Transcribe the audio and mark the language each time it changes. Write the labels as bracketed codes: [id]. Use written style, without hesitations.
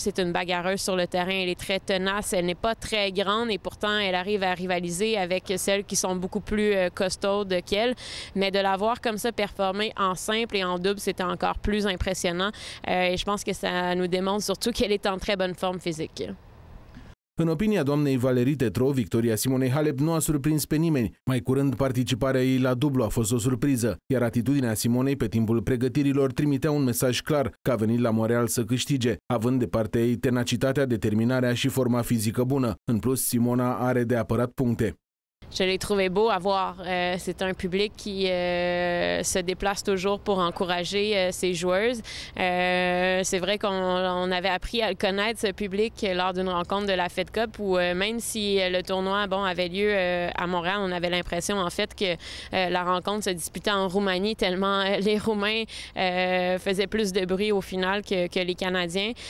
[fr] C'est une bagarreuse sur le terrain. Elle est très tenace. Elle n'est pas très grande et pourtant, elle arrive à rivaliser avec celles qui sont beaucoup plus costaudes qu'elle. Mais de la voir comme ça performer en simple et en double, c'était encore plus impressionnant. Et je pense que ça nous démontre surtout qu'elle est en très bonne forme physique. [ro] În opinia doamnei Valerie Tetrault, victoria Simonei Halep nu a surprins pe nimeni. Mai curând, participarea ei la dublu a fost o surpriză, iar atitudinea Simonei pe timpul pregătirilor trimitea un mesaj clar că a venit la Montreal să câștige, având de partea ei tenacitatea, determinarea și forma fizică bună. În plus, Simona are de apărat puncte. [fr] Je l'ai trouvé beau à voir. C'est un public qui se déplace toujours pour encourager ses joueuses. C'est vrai qu'on avait appris à le connaître, ce public, lors d'une rencontre de la Fed Cup où même si le tournoi avait lieu à Montréal, on avait l'impression en fait que la rencontre se disputait en Roumanie tellement les Roumains faisaient plus de bruit au final que les Canadiens.